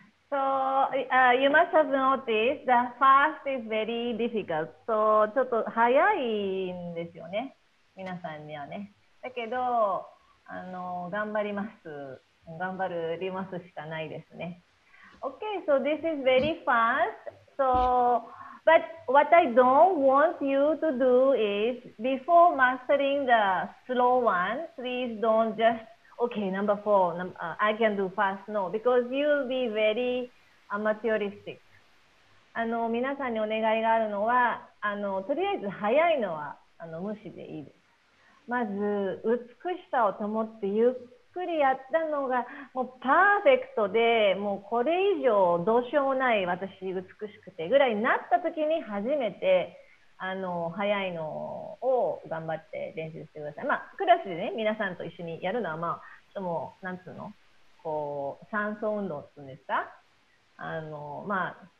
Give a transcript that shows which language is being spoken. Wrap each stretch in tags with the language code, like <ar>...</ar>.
<en>So, you must have noticed that fast is very difficult.</en> <ja>So, ちょっと早いんですよね。皆さんにはね。だけど、頑張ります。頑張りますしかないですね。</ja> <en>Okay, so this is very fast. So, but what I don't want you to do is, before mastering the slow one, please don't just okay, number four, I can do fast, no, because you'll be very amateuristic.</en> <ja>皆さんにお願いがあるのは、とりあえず早いのは無視でいいです。まず、美しさを保ってゆっくりやったのが、もうパーフェクトで、もうこれ以上どうしようもない私、美しくてぐらいになった時に初めて、早いのを頑張って練習してください。まあ、クラスでね、皆さんと一緒にやるのは、まあ、でも、なんつうの、こう、酸素運動っていうんですか、まあ、</ja>